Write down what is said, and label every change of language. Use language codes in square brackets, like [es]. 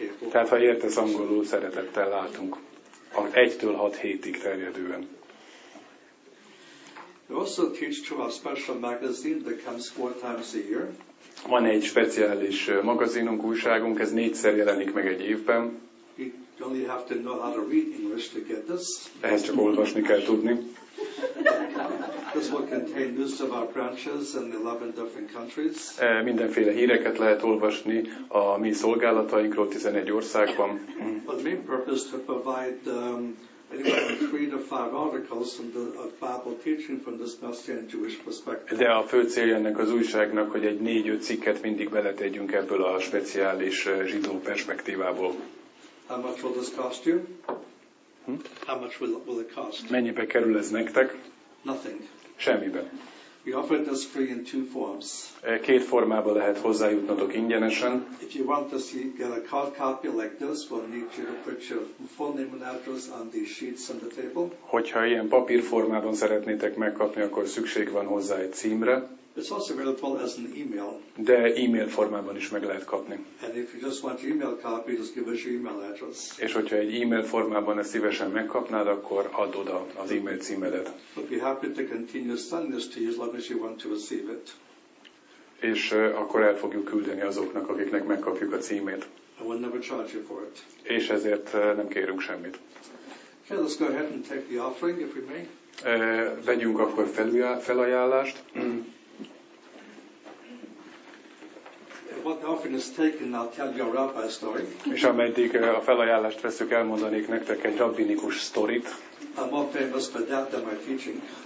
[hu] Tehát, ha értesz angolul, szeretettel látunk. A 1-től 6 hétig terjedően. [en] We also teach to our special magazine that comes 4 times a year. [hu] Van egy speciális magazinunk, újságunk, ez 4-szer jelenik meg egy évben. [en] You only have to know how to read English to get this. [hu] Ehhez csak olvasni kell tudni. [en] This will contain news of our branches in 11 different countries. [hu] Mindenféle híreket lehet olvasni a mi szolgálatainkról 11 országban. [en] But the main purpose to provide anywhere 3 to 5 articles from the Bible teaching from this Messianic Jewish perspective. [hu] De a fő célja ennek az újságnak, hogy egy 4-5 cikket mindig beletegyünk ebből a speciális zsidó perspektívából. [en] How much will this cost you? How much will it cost? [hu] Mennyibe kerül ez nektek? [en] Nothing. [hu] Semmibe. [en] We offer this free in 2 forms. [hu] 2 formában lehet hozzájutnatok ingyenesen. [en] If you want to see, get a card copy like this, we'll need you to put your full name and address on the sheets on the table. [hu] Hogyha ilyen papírformában szeretnétek megkapni, akkor szükség van hozzá egy címre. [en] It's also available as an email. [hu] De e-mail formában is meg lehet kapni. [en] And if you just want email copy, just give us your email address. [hu] És hogyha egy e-mail formában ezt szívesen megkapnád, akkor add oda az e-mail címedet. [en] We'll be happy to continue sending this to you as long as you want to receive it. [hu] És akkor el fogjuk küldeni azoknak, akiknek megkapjuk a címét. [en] And we'll never charge you for it. [hu] És ezért nem kérünk semmit. [en] Okay, let's go ahead and take the offering, if we may. [hu] Vegyünk akkor felajánlást. [en] What the offering is taken, I'll tell you a rabbi story. [hu] És ameddig a felajánlást veszük, elmondanék nektek egy rabbinikus sztorit. [en] I'm more famous for that than my teaching.